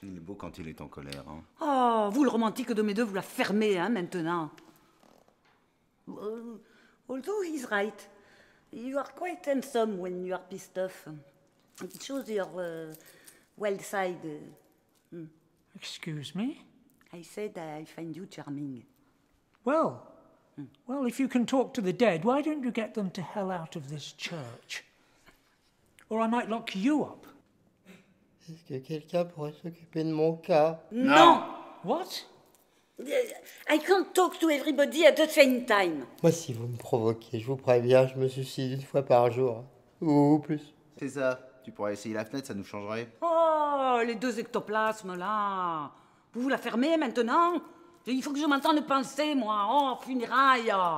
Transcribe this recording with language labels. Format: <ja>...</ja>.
<fr>Il est beau quand il est en colère, hein? Oh, vous, le romantique de mes deux, vous la fermez, hein, maintenant.</fr> <en>Although he's right. You are quite handsome when you are pissed off. It shows your wild side. Excuse me? I said I find you charming. Well, if you can talk to the dead, why don't you get them to hell out of this church? Or I might lock you up.</en> <fr>Est-ce que quelqu'un pourrait s'occuper de mon cas? Non!</fr> <en>What? I can't talk to everybody at the same time.</en> <fr>Moi, si vous me provoquez, je vous préviens, je me suicide une fois par jour. Ou plus. C'est ça. Tu pourrais essayer la fenêtre, ça nous changerait. Oh, les deux ectoplasmes, là. Vous la fermez, maintenant? Il faut que je m'entende penser, moi. Oh, funéraille.</fr>